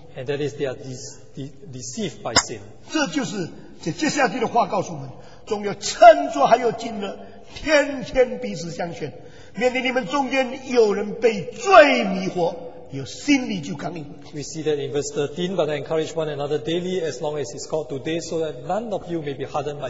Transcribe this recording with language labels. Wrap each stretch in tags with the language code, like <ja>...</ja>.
<en>And that is, they are deceived by sin.</en> <zh>这就是这接下来的话告诉我们，总要趁着还有今日，天天彼此相劝，免得你们中间有人被罪迷惑，有心里就刚硬。</zh> <en>We see that in verse 13, but I encourage one another daily as long as it's called today, so that none of you may be hardened by</en>